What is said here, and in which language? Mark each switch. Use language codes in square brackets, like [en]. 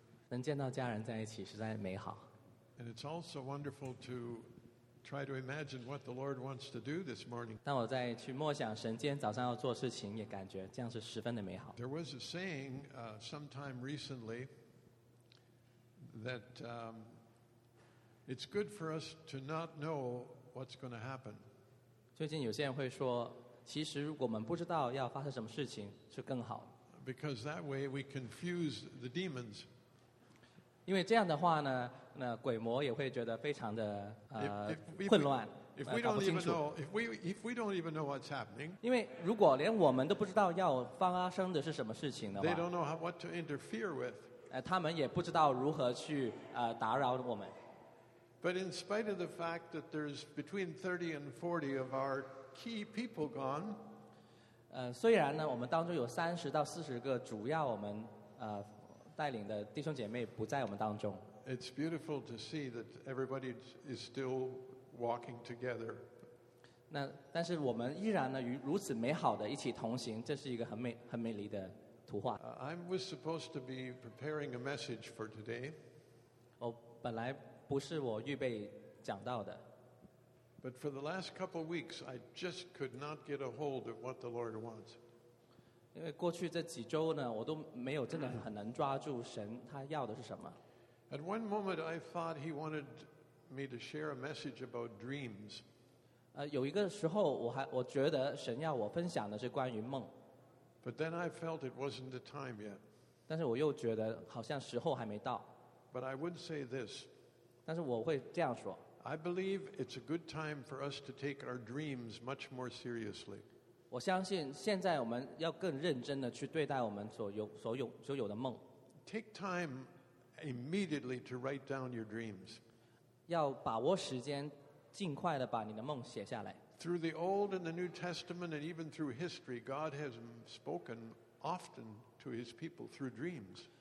[zh] 能见到家人在一起实在美好。 [en] And it's also wonderful to try to imagine what the Lord wants to do this morning. [zh] 当我在去默想神今天早上要做事情，也感觉这样是十分的美好。 [en] There was a saying sometime recently that it's good for us to not know what's going to happen. [zh] 最近有些人会说其实我们不知道要发生什么事情是更好。 [en] Because that way we confuse the demons. [zh] 因为这样的话呢，那鬼魔也会觉得非常的混乱，搞不清楚。 [en] If we don't even know what's happening, [zh] 因为如果连我们都不知道要发生的是什么事情的话 [en] ，they don't know what to interfere with. [zh] 他们也不知道如何去打扰我们。 [en] But in spite of the fact that there's between 30 and 40 of our key people gone, [zh] 虽然呢，我们当中有三十到四十个主要我们带领的弟兄姐妹不在我们当中。 [en] It's beautiful to see that everybody is still walking together. [zh] 那但是我们依然呢与如此美好的一起同行，这是一个很美丽的图画。 [en] I was supposed to be preparing a message for today. [zh] 我本来不是我预备讲到的。 [en] But for the last couple of weeks, I just could not get a hold of what the Lord wants. [zh] 因为过去这几周呢，我都没有真的很能抓住神他要的是什么。 [en] At one moment, I thought he wanted me to share a message about dreams. [zh] 有一个时候我觉得神要我分享的是关于梦。 [en] But then I felt it wasn't the time yet. [zh] 但是我又觉得好像时候还没到。 [en] But I would say this. [zh] 但是我会这样说。 [en] I believe it's a good time for us to take our dreams much more seriously. [zh] 我相信现在我们要更认真地去对待我们所有的梦。 [en] Take time immediately to write down your dreams. [zh] 要把握时间，尽快地把你的梦写下来。 [en] Through the Old and the New Testament and even through history, God has spoken often to his people through dreams.